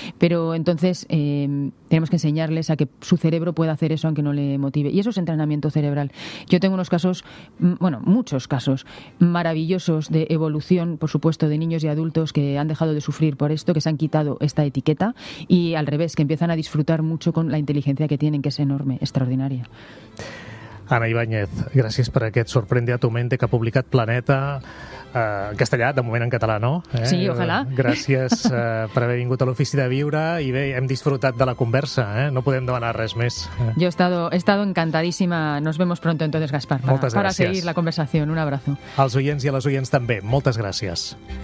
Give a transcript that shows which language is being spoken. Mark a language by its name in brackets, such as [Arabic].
[Spanish] Pero entonces tenemos que enseñarles a que su cerebro pueda hacer eso aunque no le motive. Y eso es entrenamiento cerebral. Yo tengo unos casos, muchos casos maravillosos de evolución, por supuesto, de niños y adultos que han dejado de sufrir por esto, que se han quitado esta etiqueta y al revés, que empiezan a disfrutar mucho con la inteligencia que tienen, que es enorme, extraordinaria. [Catalan] Anna Ibáñez, gràcies per aquest Sorprende a tu mente que ha publicat Planeta en castellà, de moment en català, no? Sí, ojalà. Gràcies per haver vingut a l'Ofici de Viure i bé, hem disfrutat de la conversa, no podem demanar res més. [Spanish] Yo he estado encantadísima. Nos vemos pronto entonces, Gaspar, para seguir la conversación. Un abrazo. [Catalan] Als oients i a les oients també, moltes gràcies.